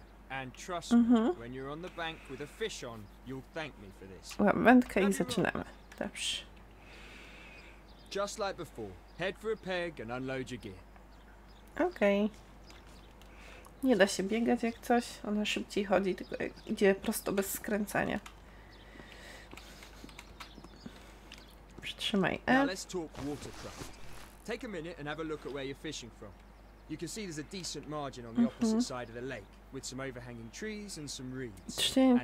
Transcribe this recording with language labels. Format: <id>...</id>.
<en>And trust me, when you're on the bank with a fish on, you'll thank me for this.</en> <pl>Wędkę i zaczynamy. Dobrze.</pl> <en>Just like before, head for a peg and unload your gear.</en> <pl>Okej. Nie da się biegać jak coś, ona szybciej chodzi, tylko idzie prosto bez skręcania. Przytrzymaj E.</pl> <en>Now let's talk watercraft. Take a minute and have a look at where you're fishing from. You can see there's a decent margin on the opposite side of the lake. With some overhanging trees and some reeds.</en>